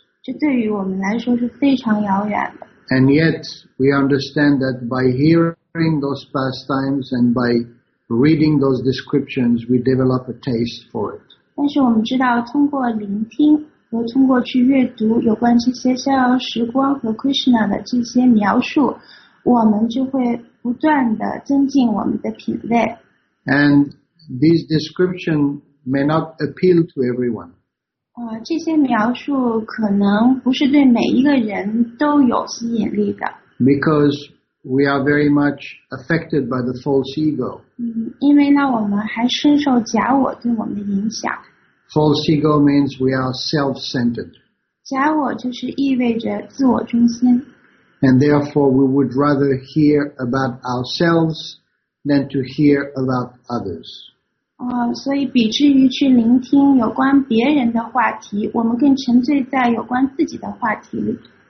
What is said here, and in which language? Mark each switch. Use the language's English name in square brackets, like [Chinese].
[Chinese] 这对于我们来说是非常遥远的。 [English] And yet, we understand that by hearing those pastimes and by reading those descriptions, we develop a taste for it. [Chinese] 但是我们知道，通过聆听和通过去阅读有关这些逍遥时光和 Krishna 的这些描述，我们就会。不断地增进我们的品味。 [English] And this description may not appeal to everyone. [Chinese] 这些描述可能不是对每一个人都有吸引力的。 [English] Because we are very much affected by the false ego. [Chinese] 因为呢，我们还深受假我对我们的影响。 [English] False ego means we are self-centered. [Chinese] 假我就是意味着自我中心。 [English] And therefore, we would rather hear about ourselves than to hear about others. [Chinese] 所以比之于去聆听有关别人的话题，我们更沉醉在有关自己的话题里。